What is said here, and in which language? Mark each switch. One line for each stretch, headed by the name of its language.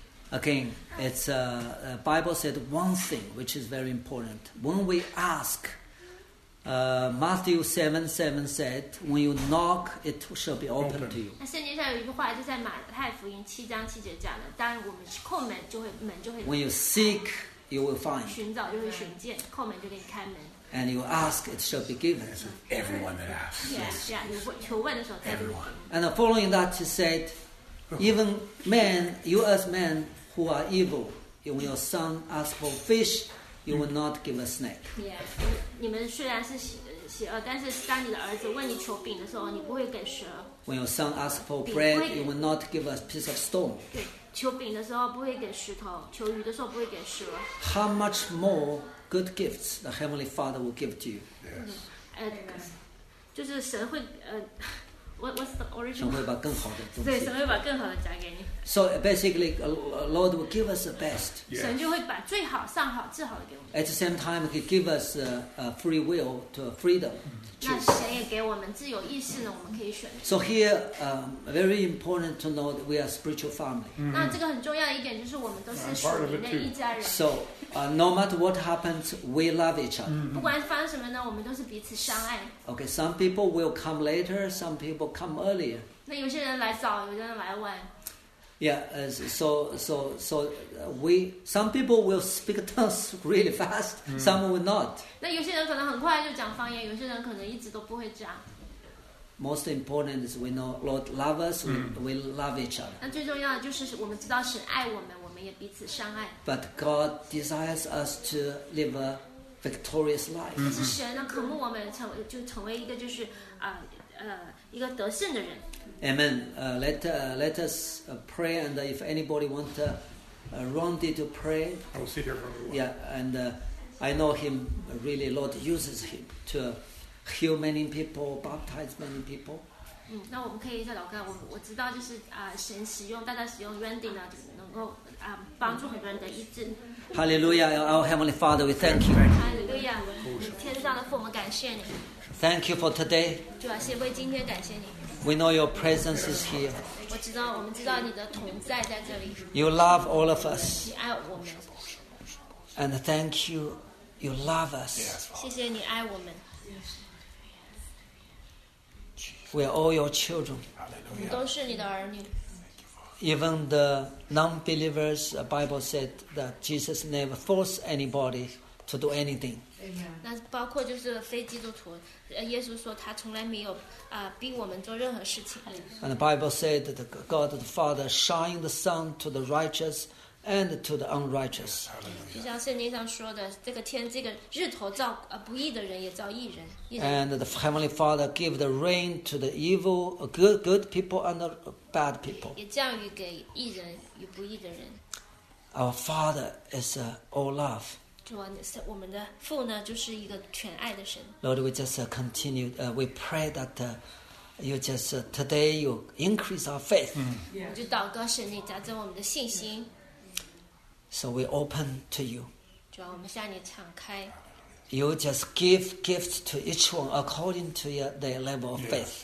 English: Again, it's Bible said one thing which is very important. When we ask, Matthew 7:7 said, "When you knock, it shall be opened to you."
Chinese: 那圣经上有一句话，就在马太福音7:7讲的，当我们叩门，就会门就会。
English: When you seek, you will find.
Chinese: 寻找就会寻见，叩门就给你开门。
English: And you ask, it shall be given. Yes, everyone that asks. Yes. Everyone. And following that, he said, even men, you as men who are evil, when your son asks for fish, you will not give a snake. Yes.
Chinese: 你们虽然是邪恶，但是当你的儿子问你求饼的时候，你不会给蛇。
English: When your son asks for bread, you will not give a piece of stone.
Chinese: 对，求饼的时候不会给石头，求鱼的时候不会给蛇。
English: How much more good gifts the Heavenly Father will give to you? Yes.
Chinese: 就是神会
English: What's the origin?
Chinese: 神会把更好的东西。对，神会把更好的加给你。
English: So basically, Lord will give us the best. Yes.
Chinese: 神就会把最好、上好、治好的给我们。
English: At the same time, He give us a free will to freedom.
Chinese: 那神也给我们自由意识呢，我们可以选择。
English: So here, very important to know that we are spiritual family.
Chinese: 那这个很重要的一点就是我们都是属灵的一家人。
English: So, no matter what happens, we love each other.
Chinese: 不管发生什么呢，我们都是彼此相爱。
English: Okay, some people will come later, some people come earlier.
Chinese: 那有些人来早，有些人来晚。
English: Yeah, so we some people will speak tongues really fast, some will not.
Chinese: 那有些人可能很快就讲方言，有些人可能一直都不会讲。
English: Most important is we know Lord love us, we love each other.
Chinese: 那最重要的就是我们知道神爱我们，我们也彼此相爱。
English: But God desires us to live a victorious life.
Chinese: 可是神呢，渴慕我们成为一个就是一个得胜的人。
English: Amen. Let us pray, and if anybody want to run there to pray, I will sit here for a little while. Yeah, and I know him really. Lord uses him to heal many people, baptize many people.
Chinese: 那我们可以再祷告。我知道就是神使用大家使用 Randy 呢，能够帮助很多人的医治。
English: Hallelujah, our Heavenly Father, we thank you.
Chinese: Hallelujah, 天上的父母感谢你。
English: Thank you for today.
Chinese: 主啊，谢为今天感谢你。
English: We know your presence is here.
Chinese: 我们知道你的同在在这里。
English: You love all of us.
Chinese: 你爱我们。
English: And thank you, you love us.
Chinese: 谢谢你爱我们。
English: We are all your children.
Chinese: 我们都是你的儿女。
English: Even the non-believers, the Bible said that Jesus never forced anybody to do anything.
Chinese: 那包括就是非基督徒，耶稣说他从来没有逼我们做任何事情。
English: And the Bible said that God the Father shined the sun to the righteous and to the unrighteous.
Chinese: 就像圣经上说的，这个天，这个日头照不义的人也照义人。
English: And the Heavenly Father gave the rain to the evil, good people and the bad people.
Chinese: 也降雨给义人与不义的人。
English: Our Father is all love.
Chinese: 我们的父呢，就是一个全爱的神。
English: Lord, we just continue. We pray that you just today you increase our faith.
Chinese: 我就祷告神，你加增我们的信心。
English: So we open to you.
Chinese: 主啊，我们向你敞开。
English: You just give gifts to each one according to their level of faith.